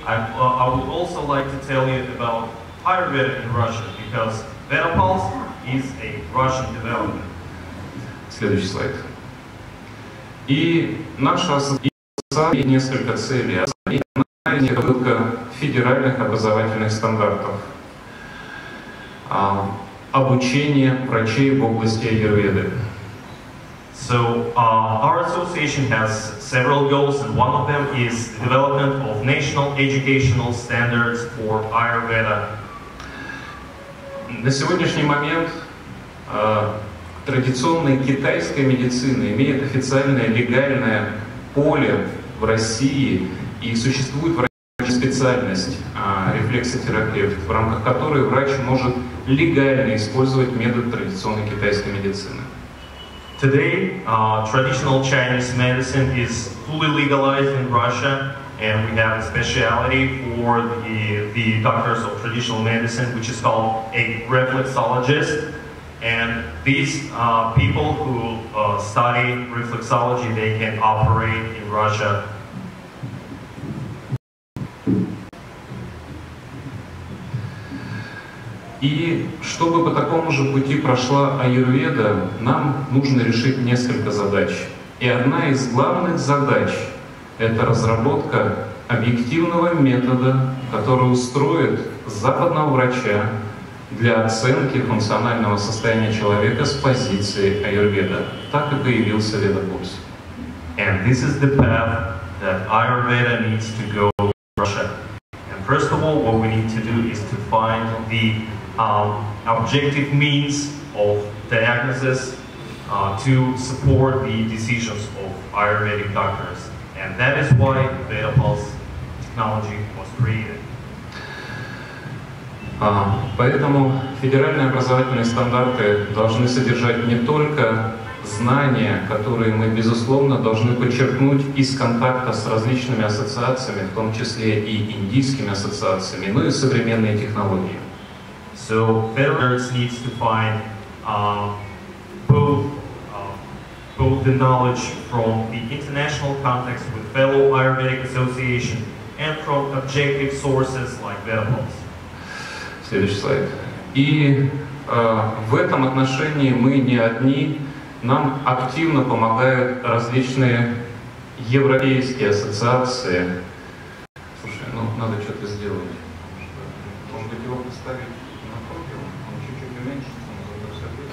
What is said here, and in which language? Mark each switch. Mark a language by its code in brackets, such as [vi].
[en] I would also like to tell you about Ayurveda in Russia, because Vedapulse is a Russian development. [ru] Следующий слайд. И наша ассоциация имеет несколько целей. Ассоциация — это выработка федеральных образовательных стандартов. Обучение врачей в области аюрведы. [en] So, our association has several goals, and one of them is development of national educational standards for Ayurveda. [ru] На сегодняшний момент традиционная китайская медицина имеет официальное легальное поле в России, и существует врачебная специальность рефлексотерапевт, в рамках которой врач может легально использовать метод традиционной китайской медицины. [en] Today, traditional Chinese medicine is fully legalized in Russia, and we have a specialty for the doctors of traditional medicine, which is called a reflexologist. And these people who study reflexology, they can operate in Russia. [ru] И чтобы по такому же пути прошла аюрведа, нам нужно решить несколько задач. И одна из главных задач — это разработка объективного метода, который устроит западного врача для оценки функционального состояния человека с позиции Аюрведа. Так и появился Ведапурус. [en] And this is the path that Ayurveda needs to go to Russia. And first of all, what we need to do is to find the objective means of diagnosis to support the decisions of Ayurvedic doctors. And that is why Ведапурус technology was created. [ru] Поэтому федеральные образовательные стандарты должны содержать не только знания, которые мы, безусловно, должны подчеркнуть из контакта с различными ассоциациями, в том числе и индийскими ассоциациями, но и современные технологии. [en] So, federals need to find both the knowledge from the international context with fellow Ayurvedic association and from objective sources like Ведапурус. [ru] Следующий слайд. И в этом отношении мы не одни. Нам активно помогают различные европейские ассоциации. Слушай, ну надо что-то сделать. Может быть его поставить на профиль? Он чуть-чуть уменьшится, но это все